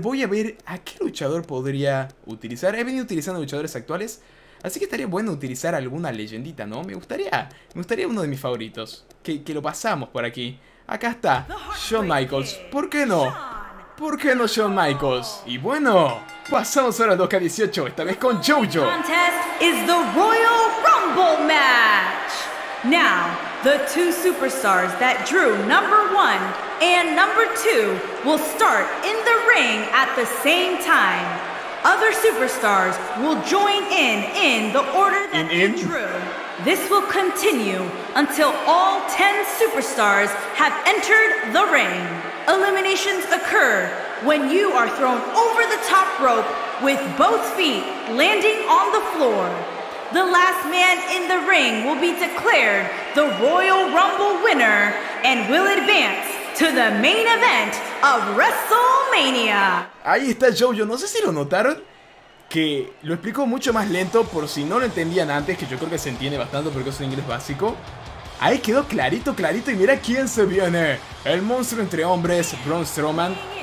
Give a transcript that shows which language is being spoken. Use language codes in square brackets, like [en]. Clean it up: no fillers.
[es] Voy a ver a qué luchador podría utilizar. He venido utilizando luchadores actuales, así que estaría bueno utilizar alguna leyendita, ¿no? Me gustaría uno de mis favoritos, que lo pasamos por aquí. Acá está, Shawn Michaels. ¿Por qué no? ¿Por qué no Shawn Michaels? Y bueno, pasamos ahora a 2K18, esta vez con JoJo. [en] The contest is the Royal Rumble match. Now, the two superstars that drew number one and number two will start in the ring at the same time. Other superstars will join in the order that they drew. This will continue until all 10 superstars have entered the ring. Eliminations occur when you are thrown over the top rope with both feet landing on the floor. The last man in the ring will be declared the Royal Rumble winner and will advance to the main event of WrestleMania. [es] Ahí está JoJo, no sé si lo notaron. Que lo explico mucho más lento por si no lo entendían antes, que yo creo que se entiende bastante porque es un inglés básico. Ahí quedó clarito y mira quién se viene. El monstruo entre hombres, Braun Strowman.